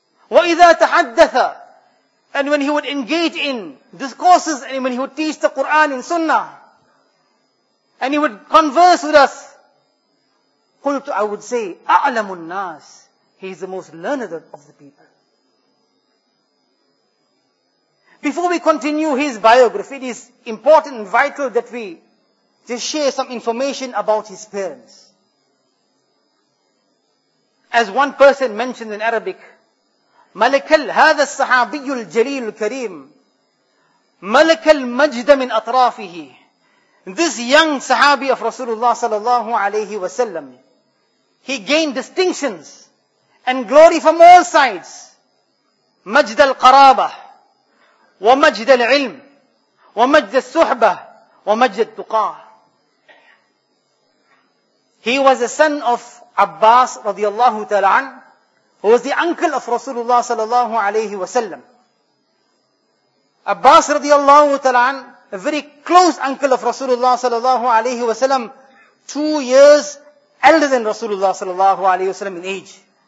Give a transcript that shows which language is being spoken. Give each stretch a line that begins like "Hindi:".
Arabic: وَإِذَا تَحَدَّثَ
English: and when he would engage in discourses, and when he would teach the Qur'an in Sunnah, and he would converse with us,
Arabic: قلت,
English: I would say,
Arabic: أَعْلَمُ النَّاسِ,
English: he is the most learned of the people. Before we continue his biography, it is important and vital that we just share some information about his parents. As one person mentioned in Arabic,
Arabic: ملك هذا الصحابي الجليل الكريم ملك المجد من أطرافه.
English: This young Sahabi of Rasulullah sallallahu alayhi wa sallam, he gained distinctions and glory from all sides.
Arabic: مجد القرابة ومجد العلم ومجد السحبة ومجد التقاة.
English: He was the son of Abbas radiallahu ta'ala an, who was the uncle of Rasulullah sallallahu alayhi wa sallam. Abbas radiallahu ta'ala an, a very close uncle of Rasulullah sallallahu alayhi wa sallam, 2 years elder than Rasulullah sallallahu alayhi wa sallam in age.